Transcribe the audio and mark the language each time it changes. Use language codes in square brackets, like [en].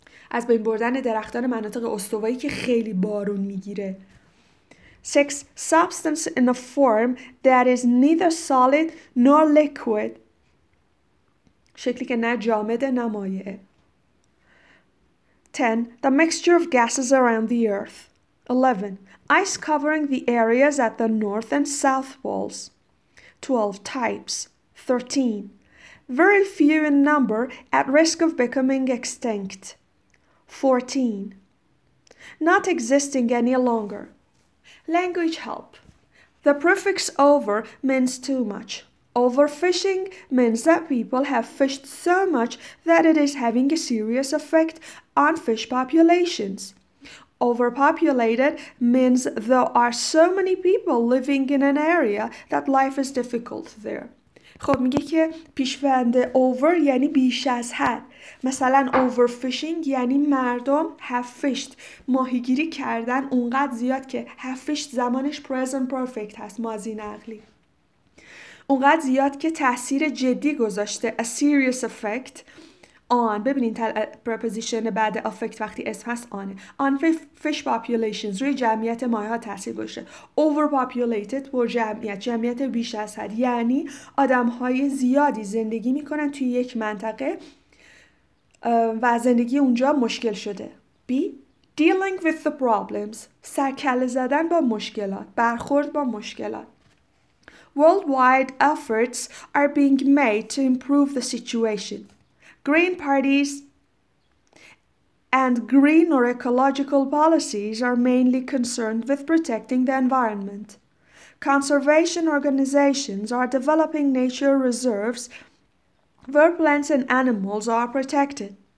[fa] از بین بردن درختان مناطق استوایی که خیلی بارون میگیره. 6. [en] Substance in a form that is neither solid nor liquid. [fa] شکلی که نه جامد نه مایع. 10. [en] The mixture of gases around the earth. 11. Ice covering the areas at the north and south poles. 12. Types. 13. Very few in number at risk of becoming extinct. 14. Not existing any longer. Language help. The prefix over means too much. Overfishing means that people have fished so much that it is having a serious effect on fish populations. Overpopulated means there are so many people living in an area that life is difficult there. [fa] خب میگه که پیشوند over یعنی بیش از حد. مثلا overfishing یعنی مردم [en] have fished. [fa] ماهیگیری کردن اونقدر زیاد که [en] have fished [fa] زمانش present perfect هست. ماضی نقلی. اونقدر زیاد که تأثیر جدی گذاشته. [en] A serious effect. [fa] آن ببینین پرپوزیشن بعد افکت وقتی اسم هست آنه. [en] on fish populations [fa] روی جمعیت ماهی ها تاثیر گذاشته. [en] overpopulated [fa] پر جمعیت، جمعیت بیش از حد، یعنی آدم های زیادی زندگی میکنن توی یک منطقه و زندگی اونجا مشکل شده. بی [en] dealing with the problems، [fa] سرکله زدن با مشکلات، برخورد با مشکلات. [en] Worldwide efforts are being made to improve the situation. Green parties and green or ecological policies are mainly concerned with protecting the environment. Conservation organizations are developing nature reserves where plants and animals are protected.